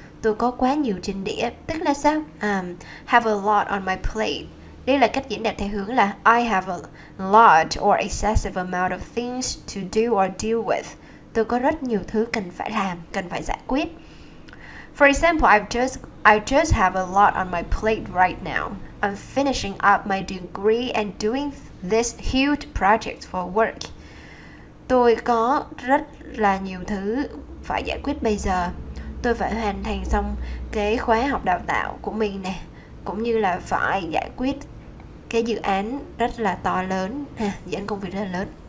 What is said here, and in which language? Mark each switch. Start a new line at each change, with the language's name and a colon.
Vietnamese: Tôi có quá nhiều trên đĩa, tức là sao?
English: Have a lot on my plate.
Vietnamese: Đây là cách diễn đạt theo hướng là
English: I have a lot or excessive amount of things to do or deal with.
Vietnamese: Tôi có rất nhiều thứ cần phải làm, cần phải giải quyết.
English: For example, I just have a lot on my plate right now. I'm finishing up my degree and doing this huge project for work.
Vietnamese: Tôi có rất là nhiều thứ phải giải quyết bây giờ. Tôi phải hoàn thành xong cái khóa học đào tạo của mình nè, cũng như là phải giải quyết cái dự án rất là to lớn, ha, dự án công việc rất là lớn.